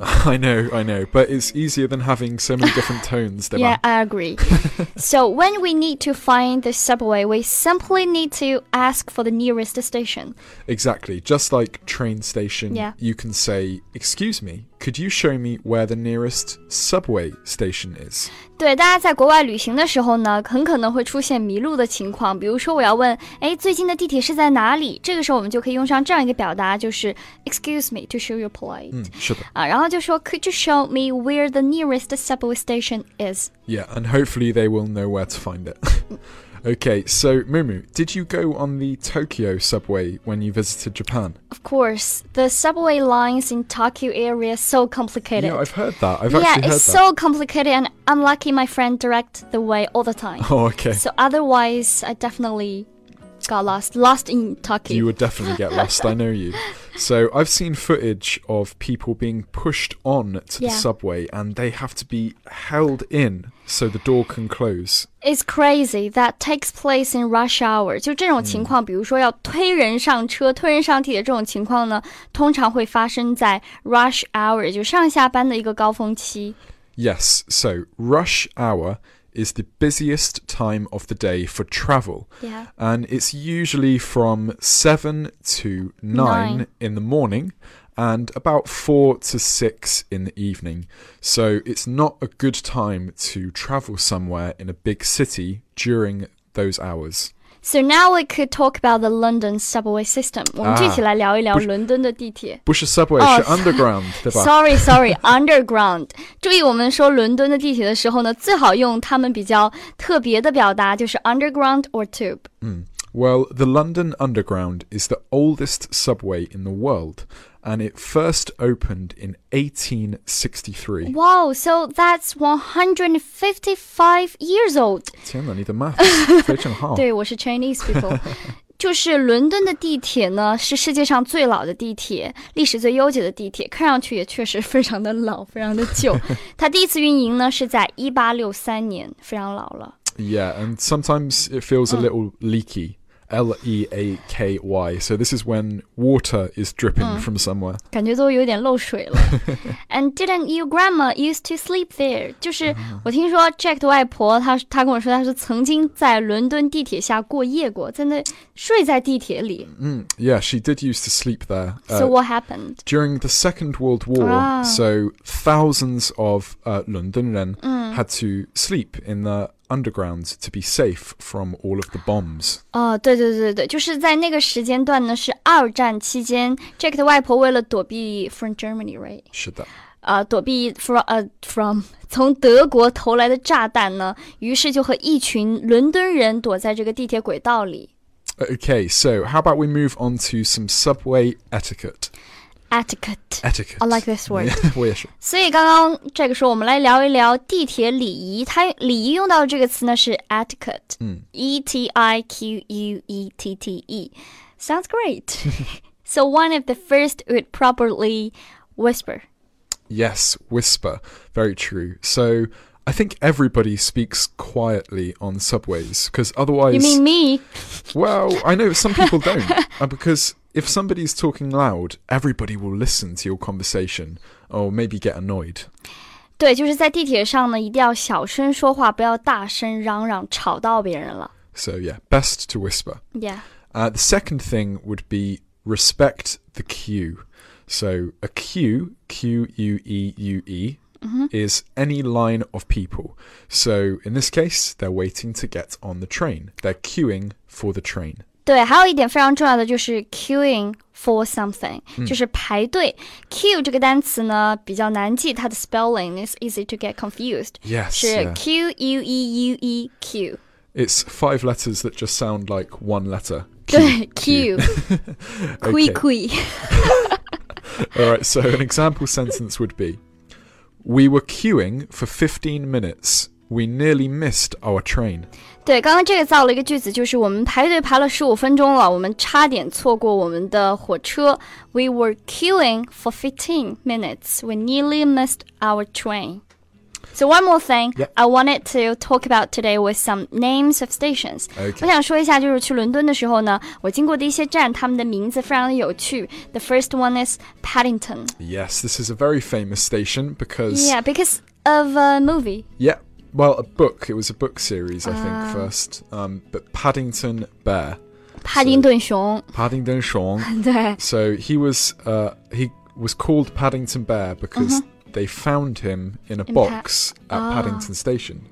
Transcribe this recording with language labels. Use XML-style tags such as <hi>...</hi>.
<en>I know, but it's easier than having so many different tones, right? Yeah, I agree. So when we need to find the subway, we simply need to ask for the nearest station. Exactly. Just like train station, yeah. You can say, excuse me, could you show me where the nearest subway station is?</en> <zh>对，大家在国外旅行的时候呢，很可能会出现迷路的情况。比如说我要问，哎，最近的地铁是在哪里？这个时候我们就可以用上这样一个表达，就是</zh> <en>excuse me to show you polite.</en> <zh>是的。然后就说</zh> <en>could you show me where the nearest subway station is? Yeah, and hopefully they will know where to find it. Okay, so Mumu, did you go on the Tokyo subway when you visited Japan? Of course, the subway lines in Tokyo area are so complicated. Yeah, I've heard that. I've actually heard that. Yeah, it's so complicated and I'm lucky my friend directs the way all the time. Oh, okay. So otherwise, I definitely got lost in Tokyo. You would definitely get lost, I know you. So I've seen footage of people being pushed on to the subway and they have to be held in so the door can close. It's crazy. That takes place in rush hour.</en> <zh>就这种情况，比如说要推人上车、推人上地铁这种情况呢，通常会发生在</zh> <en>rush hour，</en> <zh>就上下班的一个高峰期。</zh> <en>Yes. So rush hour is the busiest time of the day for travel. Yeah. And it's usually from 7 to 9 in the morning. And about 4 to 6 in the evening. So it's not a good time to travel somewhere in a big city during those hours. So now we could talk about the London subway system.</en> <zh>我们具体来聊一聊伦敦的地铁。不是 subway, 是 underground, 对吧？</zh> <en>Sorry, underground.</en> <zh>注意我们说伦敦的地铁的时候呢，最好用他们比较特别的表达，就是</zh> <en>underground or tube. Well, the London Underground is the oldest subway in the world, and it first opened in 1863. Wow, so that's 155 years old.</en> <zh>天哪，你的 math 非常好。对，我是</zh> <en>Chinese people.</en> <zh>就是伦敦的地铁呢，是世界上最老的地铁，历史最悠久的地铁，看上去也确实非常的老，非常的旧。它第一次运营呢，是在1863年，非常老了。</zh> <en>Yeah, and sometimes it feels a little leaky. leaky. So this is when water is dripping from somewhere.</en> <zh>感觉都有点漏水了。</zh> <en>And didn't your grandma used to sleep there?</en> <zh>就是我听说 Jack 的外婆她跟我说她是曾经在伦敦地铁下过夜过，在那睡在地铁里。</zh> <en>Yeah, she did used to sleep there. So what happened? During the Second World War, so thousands of London</en> <zh>人</zh> <en>had to sleep in the underground to be safe from all of the bombs.</en> <zh>对对对对，就是在那个时间段呢，是二战期间 ，Jack 的外婆为了躲避</zh> <en>from Germany, right?</en> <zh>是的。躲避 from 从德国投来的炸弹呢，于是就和一群伦敦人躲在这个地铁轨道里。</zh> <en>Okay, so how about we move on to some subway etiquette? Etiquette. I like this word.</en> <zh>我也是。所以刚刚这个时候我们来聊一聊地铁礼仪。它礼仪用到的这个词呢是 etiquette. E-T-I-Q-U-E-T-T-E.</zh> <en>Sounds great. So one of the first would properly whisper. Yes, whisper. Very true. So I think everybody speaks quietly on subways because otherwise... You mean me? Well, I know some people don't because... If somebody's talking loud, everybody will listen to your conversation or maybe get annoyed.</en> <zh>对，就是在地铁上呢，一定要小声说话，不要大声嚷嚷，吵到别人了。</zh> <en>So yeah, best to whisper. Yeah. The second thing would be respect the queue. So a queue, Q-U-E-U-E, is any line of people. So in this case, they're waiting to get on the train. They're queuing for the train.</en> <zh>对，还有一点非常重要的就是</zh> <en>queuing for something,</en> <zh>就是排队。 Queue 这个单词呢比较难记，它的</zh> <en>spelling is easy to get confused. Yes,</en> <zh>是 Q-U-E-U-E, Q.</zh> <en>It's five letters that just sound like one letter.</en> <zh>Q, 对 ,Q. Kui kui.</zh> <en>All right, so an example sentence would be, we were queuing for 15 minutes. We nearly missed our train.</en> <zh>对，刚刚这个造了一个句子，就是我们排队排了15分钟了，我们差点错过我们的火车。</zh> <en>We were queuing for 15 minutes. We nearly missed our train. So one more thing, I wanted to talk about today with some names of stations. Okay.</en> <zh>我想说一下，就是去伦敦的时候呢，我经过的一些站，他们的名字非常的有趣。</zh> <en>The first one is Paddington. Yes, this is a very famous station because... Yeah, because of a movie. Yep. Well, a book. It was a book series, I think, first. But Paddington Bear.</en> <zh>Paddington 熊. Paddington 熊. 对.</zh> <en>So he was called Paddington Bear because they found him in box at Paddington Station.</en>